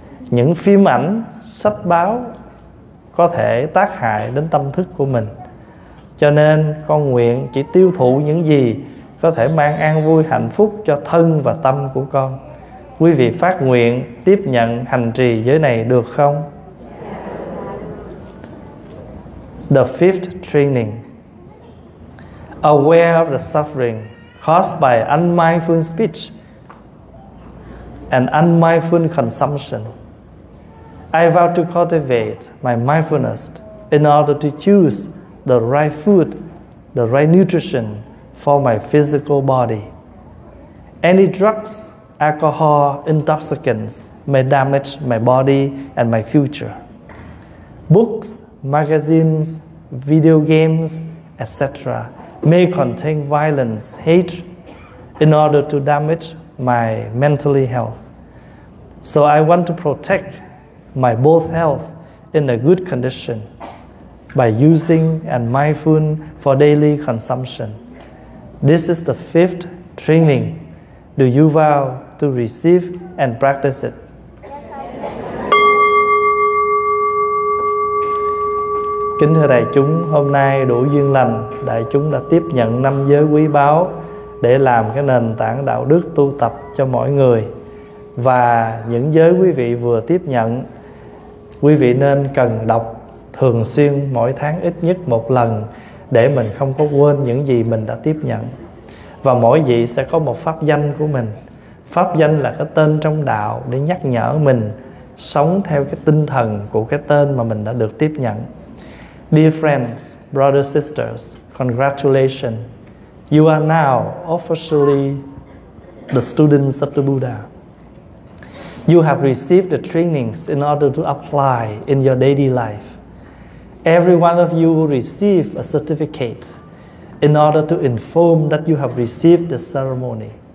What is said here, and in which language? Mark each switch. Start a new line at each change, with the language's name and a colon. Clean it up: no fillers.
Vietnamese: Những phim ảnh, sách báo có thể tác hại đến tâm thức của mình. Cho nên con nguyện chỉ tiêu thụ những gì có thể mang an vui hạnh phúc cho thân và tâm của con. quý vị phát nguyện tiếp nhận hành trì giới này được không?
English: The fifth training: aware of the suffering caused by unmindful speech and unmindful consumption. I vow to cultivate my mindfulness in order to choose the right food, the right nutrition for my physical body. Any drugs, alcohol, intoxicants may damage my body and my future. Books, magazines, video games, etc. may contain violence, hate, in order to damage my mental health. So I want to protect my both health in a good condition by using and mindful for daily consumption. This is the fifth training. Do you vow to receive and practice it?
Vietnamese: Kính thưa đại chúng, hôm nay đủ duyên lành, đại chúng đã tiếp nhận năm giới quý báu để làm cái nền tảng đạo đức tu tập cho mọi người. Và những giới quý vị vừa tiếp nhận, quý vị nên cần đọc thường xuyên mỗi tháng ít nhất một lần để mình không có quên những gì mình đã tiếp nhận. Và mỗi vị sẽ có một pháp danh của mình. Pháp danh là cái tên trong đạo để nhắc nhở mình sống theo cái tinh thần của cái tên mà mình đã được tiếp nhận.
English: Dear friends, brothers, sisters, congratulations. You are now officially the students of the Buddha. You have received the trainings in order to apply in your daily life. Every one of you will receive a certificate in order to inform that you have received the ceremony.